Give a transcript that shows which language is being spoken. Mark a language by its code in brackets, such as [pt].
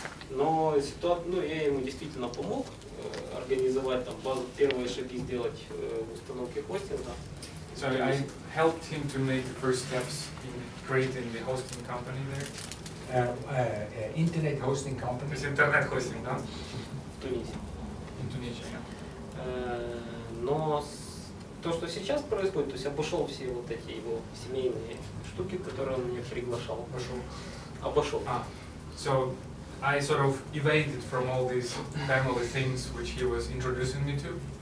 [ru] Но я ему действительно помог организовать там базу, первые шаги сделать в установке хостинга. [en] So I helped him to make the first steps in creating the hosting company there. Internet hosting company. It's internet hosting, [ru] да? [en] Tunisia. In Tunisia, yeah. [ru] Но то, что сейчас происходит, то есть обошел все вот эти его семейные штуки, которые он мне приглашал. Обошел. [en] So I sort of evaded from all these family things which he was introducing me to.